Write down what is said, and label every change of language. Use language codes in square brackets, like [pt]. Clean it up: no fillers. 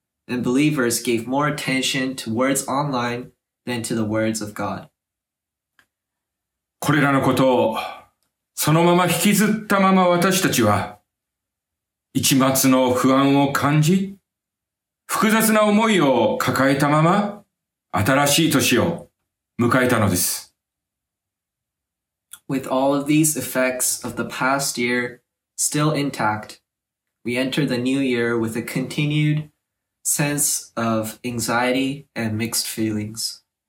[en] And believers gave more attention to words online than to the words of God. [ja] これらのことをそのまま引きずったまま私たちは一抹の不安を感じ、複雑な思いを抱えたまま新しい年を迎えたのです。 [en] With all of these effects of the past year still intact, we enter the new year with a continued sense of anxiety and mixed feelings.